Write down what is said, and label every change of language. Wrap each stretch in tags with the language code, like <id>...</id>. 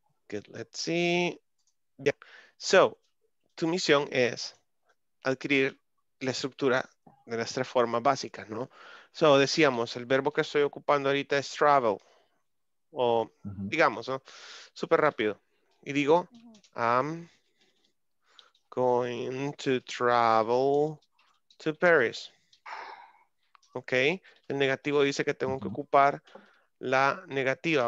<en>Good. Let's see. Yeah.</en> <es>So, tu misión es adquirir la estructura de las tres formas básicas, ¿no? So, decíamos, el verbo que estoy ocupando ahorita es travel. O, digamos, ¿no? Súper rápido. Y digo,</es> <en>I'm going to travel to Paris.</en> <es>Ok. El negativo dice que tengo que ocupar la negativa.</es>